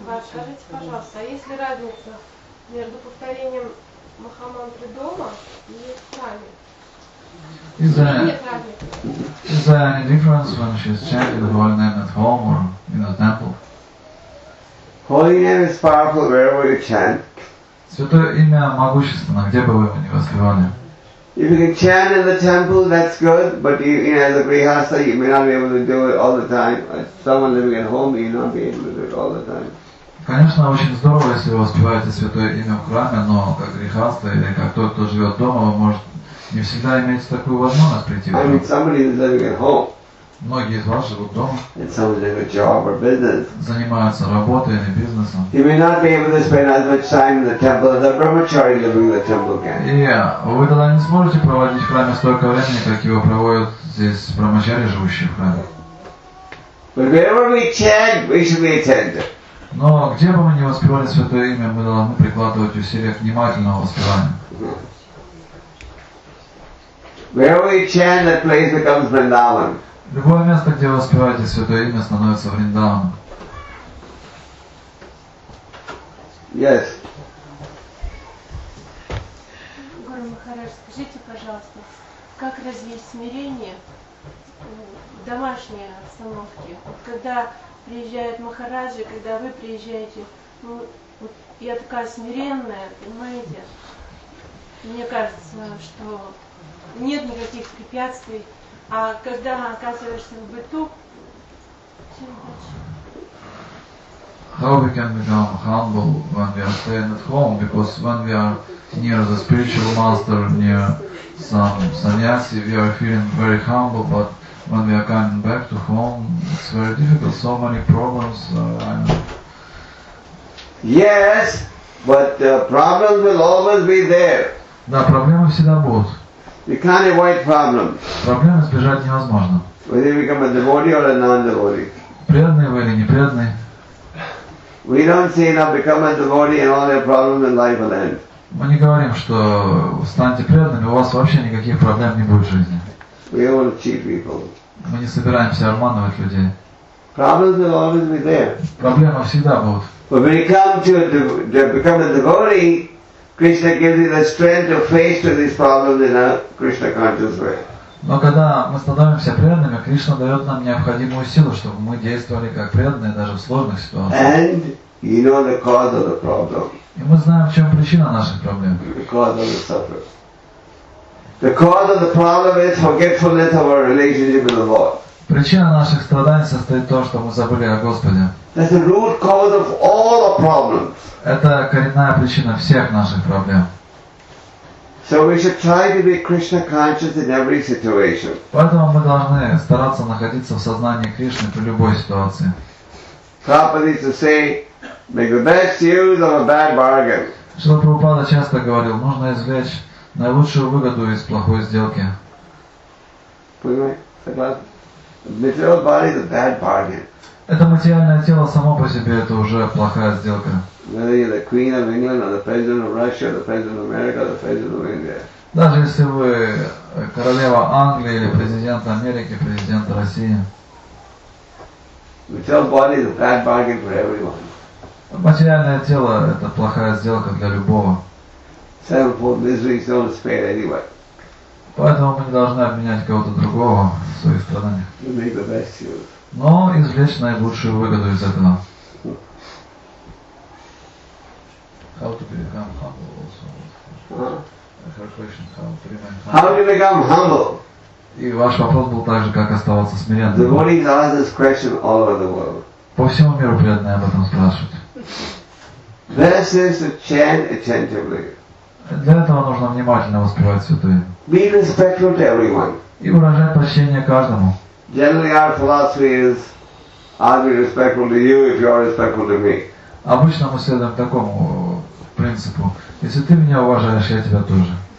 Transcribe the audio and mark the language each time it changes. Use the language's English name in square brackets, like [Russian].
[Russian] Скажите, пожалуйста, а есть ли разница между повторением Махамантры дома и в храме? [English] Is there any difference when she's chanting the holy name at home or in the temple? Holy name is powerful wherever you chant. [Russian] Святое имя могущественно, где бы вы его ни воспевали. [English] If you can chant in the temple, that's good, but you, you know, as a grihastha, you may not be able to do it all the time. Someone living at home, you may not be able to do it all the time. [Russian] Конечно, очень здорово, если вы воспеваете святое имя в храме, но как грихастха или как тот, кто живет дома, вы можете не всегда иметь такую возможность прийти в храм. [English] I mean, somebody is living at home. [Russian] Многие из вас живут дома. [English] It's only their job or business. [Russian] Занимаются работой или бизнесом. [English] You may not be able to spend as much time in the temple as a brahmachari living in the temple can. Yeah, [Russian] вы тогда не сможете проводить в храме столько времени, как его проводят здесь брахмачари, живущие в храме. [English] But wherever we chant, we should be attentive. [Russian] Но где бы мы ни воспевали святое имя, мы должны прикладывать усилия к внимательному воспеванию. [English] Wherever we chant, that place becomes Vrindavan. [Russian] Любое место, где вы воспеваете святое имя, становится Вриндаваном. [English] Yes. [Russian] Гуру Махарадж, скажите, пожалуйста, в как развить смирение в домашней обстановке? Вот когда приезжает Махараджи, когда вы приезжаете, ну, вот я такая смиренная, понимаете? Мне кажется, что нет никаких препятствий. А когда оказываешься в быту, [English] how we can become humble when we are staying at home? Because when we are near the spiritual master, near some sannyasi, we are feeling very humble, but when we are coming back to home, it's very difficult, so many problems. Yes, but the problems will always be there. [Russian] Да, проблемы всегда будут. [English] You can't avoid problems. [Russian] Проблемы избежать невозможно. [English] Whether you become a devotee or a non-devotee. [Russian] Преданный вы или непреданный? [English] We don't say now become a devotee and all your problems in life will end. [Russian] Мы не говорим, что станьте преданными, у вас вообще никаких проблем не будет в жизни. [English] We will cheat people. [Russian] Мы не собираемся обманывать людей. [English] Problems will always be there. [Russian] Проблемы всегда будут. [English] But when you come to become a devotee, Krishna gives you the strength to face to these problems in a Krishna conscious way. [Russian] Но когда мы становимся преданными, Кришна дает нам необходимую силу, чтобы мы действовали как преданные даже в сложных ситуациях. [English] And you know the cause of the problem. [Russian] И мы знаем, в чем причина наших проблем. [English] The cause of the suffering. The cause of the problem is forgetfulness of our relationship with the Lord. [Russian] Причина наших страданий состоит в том, что мы забыли о Господе. [English] That's the root cause of all our problems. [Russian] Это коренная причина всех наших проблем. [English] So we should try to be Krishna conscious in every situation. [Russian] Поэтому мы должны стараться находиться в сознании Кришны при любой ситуации. [English] Prabhupada used to say, make the best use of a bad bargain. [Russian] Шрила Прабхупада часто говорил, можно извлечь наилучшую выгоду из плохой сделки. [English] Material body is a bad bargain. [Russian] Это материальное тело само по себе это уже плохая сделка. [English] Whether you're the Queen of England, or the President of Russia, or the President of America, or the President of India. [Russian] Даже если вы королева Англии или президент Америки, президент России. [English] Material body is a bad bargain for everyone. [Russian] Материальное тело – это плохая сделка для любого. [English] Sevenfold misery is not spared anyway. [Russian] Поэтому мы не должны обменять кого-то другого в своих страданиях. [English] You make the best use. [Russian] Но извлечь наилучшую выгоду из этого. [English] How to become humble also? Her question, how to remain humble? How to become humble? [Russian] И ваш вопрос был также, как оставаться смиренным. [English] The world is asking this question all over the world. [Russian] По всему миру преданные об этом спрашивают. [English] This is to chant attentively. [Russian] Для этого нужно внимательно воспевать святые. [English] Be respectful to everyone. [Russian] И выражать почтение каждому. [English] Generally our philosophy is, I'll be respectful to you if you are respectful to me. [Russian] Обычно мы следуем такому принципу. Если ты меня уважаешь, я тебя тоже.